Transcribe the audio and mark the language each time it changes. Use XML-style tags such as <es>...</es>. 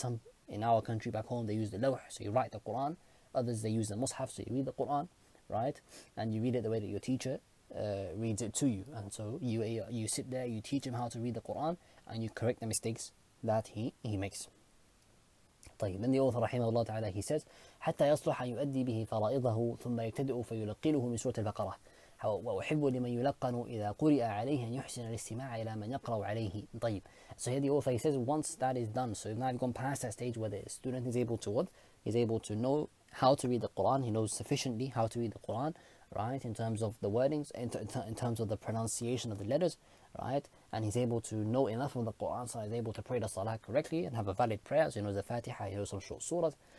<en>Some in our country back home, they use the lawh, so you write the Quran. Others, they use the Mus'haf, so you read the Quran, right? And you read it the way that your teacher reads it to you. And so you sit there, you teach him how to read the Quran, and you correct the mistakes that he makes.</en> <ar>طيب,</ar> <en>then the author</en> <ar>رحمه الله تعالى,</ar> <en>he says,</en> <ar>حتى يصلح أن يؤدي به فرائضه ثم يبتدئ فيلقنه من سورة البقرة وأحب لمن يلقن إذا قرئ عليه أن يحسن الاستماع إلى من يقرأ عليه.</ar> <en>طيب, so here the author, he says, once that is done, so now you've gone past that stage where the student is able to what? He's able to know how to read the Quran, he knows sufficiently how to read the Quran, right, in terms of the wordings, in terms of the pronunciation of the letters, right, and he's able to know enough of the Quran so he's able to pray the Salah correctly and have a valid prayer, so he knows the Fatiha, he knows some short surahs.</en>